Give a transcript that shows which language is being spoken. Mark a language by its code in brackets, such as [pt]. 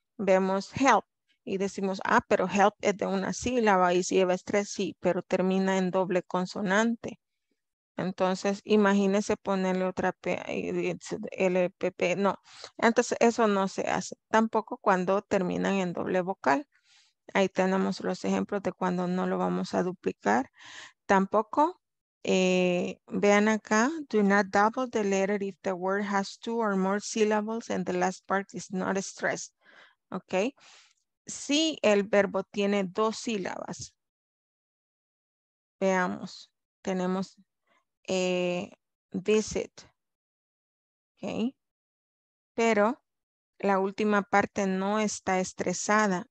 [es] Vemos help y decimos, ah, pero help es de una sílaba y lleva estrés, sí, pero termina en doble consonante. Entonces, imagínese ponerle otra P, LPP, no. Entonces, eso no se hace. Tampoco cuando terminan en doble vocal. Ahí tenemos los ejemplos de cuando no lo vamos a duplicar. Tampoco, vean acá, [en] do not double the letter if the word has two or more syllables and the last part is not stressed. Ok. [es] Si el verbo tiene dos sílabas, veamos, tenemos visit, ok, pero la última parte no está estresada.